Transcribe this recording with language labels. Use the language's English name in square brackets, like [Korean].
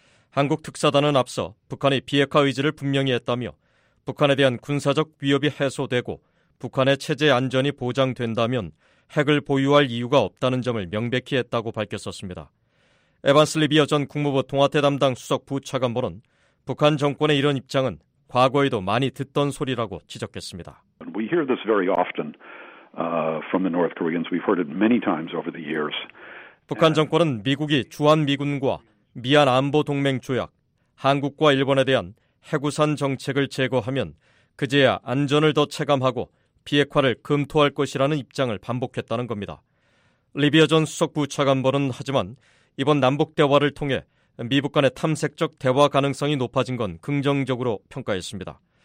[Korean] 한국 특사단은 앞서 북한이 비핵화 의지를 분명히 했다며 북한에 대한 군사적 위협이 해소되고 북한의 체제 안전이 보장된다면 핵을 보유할 이유가 없다는 점을 명백히 했다고 밝혔었습니다. 에반스 리비어 전 국무부 동아태 담당 수석 부차관보는 북한 정권의 이런 입장은 과거에도 많이 듣던 소리라고 지적했습니다. [English] We hear this very often from the North Koreans. We've heard it many times over the years. [Korean] 북한 정권은 미국이 주한미군과 미안 안보 동맹 조약, 한국과 일본에 대한 핵우산 정책을 제거하면 그제야 안전을 더 체감하고 비핵화를 검토할 것이라는 입장을 반복했다는 겁니다. 리비어 전 수석부 차관보는 하지만 이번 남북 대화를 통해 미북 간의 탐색적 대화 가능성이 높아진 건 긍정적으로 평가했습니다.